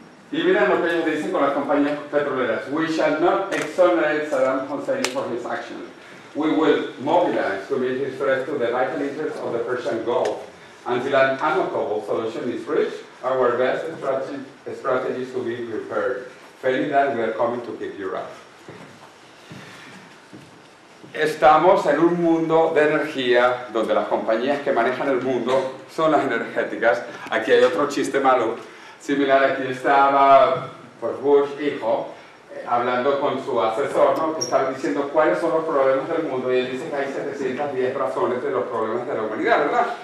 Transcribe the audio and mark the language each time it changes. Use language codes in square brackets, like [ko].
[es] Y miren lo que ellos dicen con las compañías petroleras. [en] We shall not exonerate Saddam Hussein for his actions. We will mobilize to meet his threat to the vital interests of the Persian Gulf. Until an amicable solution is reached, our best strategies will be prepared. Failing that, we are coming to keep Europe. [es] Estamos en un mundo de energía donde las compañías que manejan el mundo son las energéticas. Aquí hay otro chiste malo, similar. Aquí estaba Bush, hijo, hablando con su asesor, ¿no? Que estaba diciendo cuáles son los problemas del mundo, y él dice que hay 710 razones de los problemas de la humanidad, ¿verdad?